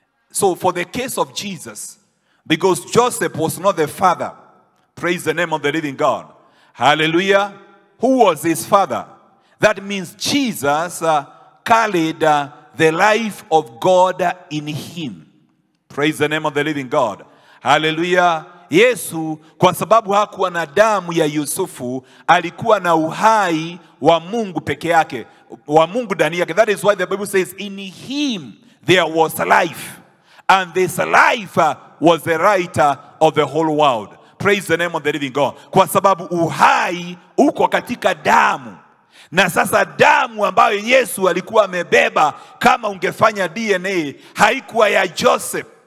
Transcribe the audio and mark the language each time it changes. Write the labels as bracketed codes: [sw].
[en] So for the case of Jesus, because Joseph was not the father, praise the name of the living God, hallelujah, who was his father? That means Jesus carried the life of God in him. Praise the name of the living God. Hallelujah. [sw] Yesu, kwa sababu hakuwa na damu ya Yusufu, alikuwa na uhai wa Mungu peke yake, wa Mungu ndani yake. [en] That is why the Bible says, in him there was life. And this life was the light of the whole world. Praise the name of the living God. [sw] Kwa sababu uhai uko katika damu. Na sasa damu ambayo Yesu alikuwa amebeba, kama ungefanya DNA, haikuwa ya Joseph.